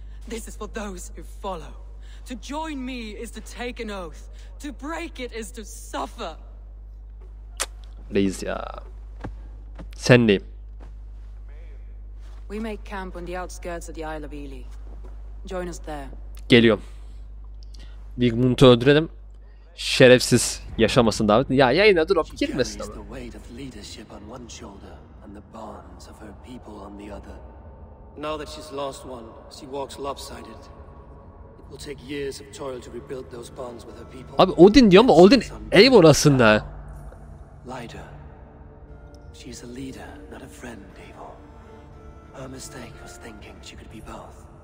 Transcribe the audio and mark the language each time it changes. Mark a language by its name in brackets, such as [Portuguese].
[English] This is for those who follow. To join me is to take an oath. To break it is to suffer. Please, yeah. Sandy. We make camp on the outskirts of the Isle of Ely. Join us there. [Turkish] Geliyorum. Wigmund'u öldürelim. Şerefsiz yaşamasın davet. Ya yayına dur, girmesin ama. [English] The weight of leadership on one shoulder. The bonds of her people on the other. Now that she's lost one, she walks lopsided. It will take years of toil to rebuild those bonds with her people. [Turkish] Abi Odin diyor ama Odin Eivor aslında. [English] Lyda. She's a leader, not a friend, Eivor. Her mistake was thinking she could be both.